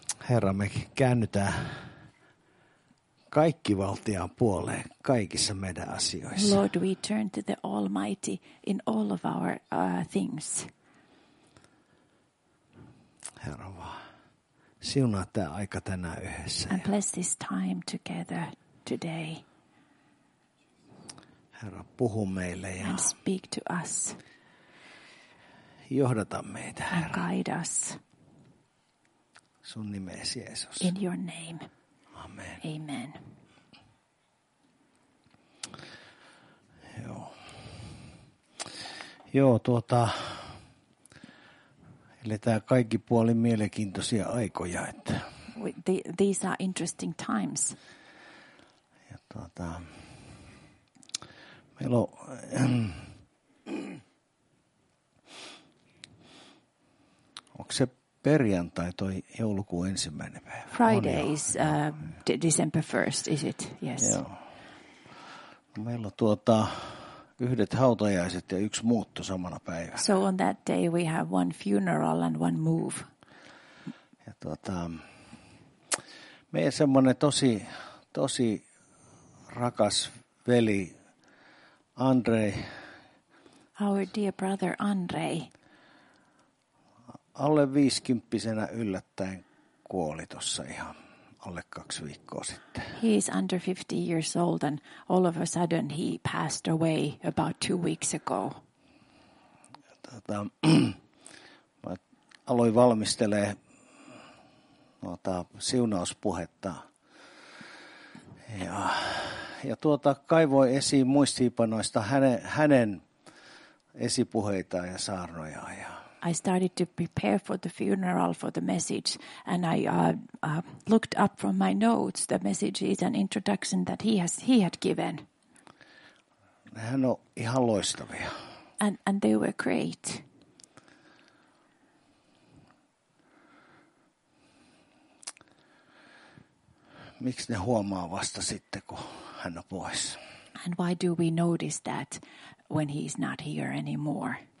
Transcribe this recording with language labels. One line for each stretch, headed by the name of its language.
Finnish: Herra, me käännytään kaikki valtiaan puoleen kaikissa meidän asioissa.
English: Lord, we turn to the Almighty in all of our things.
Finnish: Herra vaan, siunaa tämä aika tänään yhdessä.
English: And bless this time together today.
Finnish: Herra, puhu meille ja
English: and speak to us.
Finnish: Johdata meitä, Herra.
English: And guide us.
Finnish: Sun nimesi, Jeesus.
English: In your name.
Finnish: Amen.
English: Amen.
Finnish: Joo, eletään kaikki puolin mielenkiintoisia aikoja, että
English: these are interesting times.
Finnish: Ja meillä on onko se perjantai toi joulukuun ensimmäinen päivä?
English: Friday is December 1st, is it? Yes.
Finnish: Joo. No, meillä on yhdet hautajaiset ja yksi muutto samana päivänä.
English: So on that day we have one funeral and one move.
Finnish: Ja meidän semmoinen tosi rakas veli Andrei.
English: Our dear brother Andrei.
Finnish: Alle viisikymppisenä yllättäen kuoli tuossa ihan alle kaksi viikkoa sitten.
English: He is under 50 years old and all of a sudden he passed away about 2 weeks ago.
Finnish: Mä aloin valmistelee siunauspuhetta. Ja kaivoin esiin muistiinpanoista hänen esipuheitaan ja saarnojaan.
English: I started to prepare for the funeral for the message and I looked up from my notes the messages and introduction that he had given.
Finnish: Nehän on ihan loistavia.
English: And they were great.
Finnish: Miksi ne huomaa vasta sitten kun hän on pois?
English: And why do we notice that when he's not here anymore?